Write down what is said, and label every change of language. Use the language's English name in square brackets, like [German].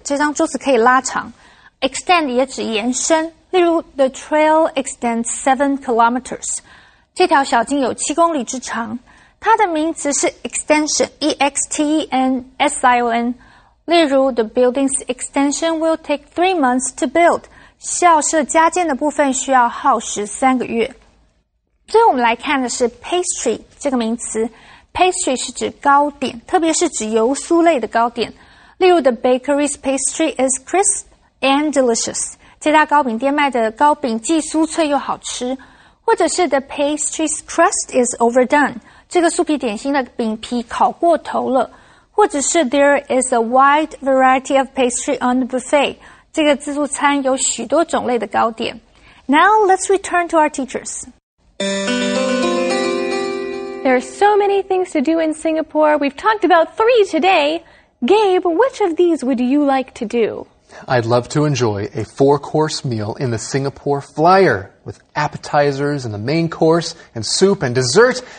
[Chinese] 这张桌子可以拉长。Extend 也指延伸，例如 [English] the trail extends 7 kilometers. [Chinese] 这条小径有7公里之长。它的名词是 extension，E-X-T-E-N-S-I-O-N。例如 [English] ,the building's extension will take 3 months to build. [Chinese] 校舍加建的部分需要耗时3个月。最后我们来看的是 pastry 这个名词。pastry 是指糕点，特别是指油酥类的糕点。例如 [English] ,the bakery's pastry is crisp and delicious. [Chinese] 这家糕饼店卖的糕饼既酥脆又好吃。或者是 [English] ,the pastry's crust is overdone. [Chinese] 这个酥皮点心的饼皮烤过头了。或者是 [English] there is a wide variety of pastry on the buffet. [Chinese] 这个自助餐有许多种类的糕点。 [English] Now let's return to our teachers. There are so many things to do in Singapore. We've talked about 3 today. Gabe, which of these would you like to do? I'd love to enjoy a 4-course meal in the Singapore Flyer with appetizers and the main course and soup and dessert.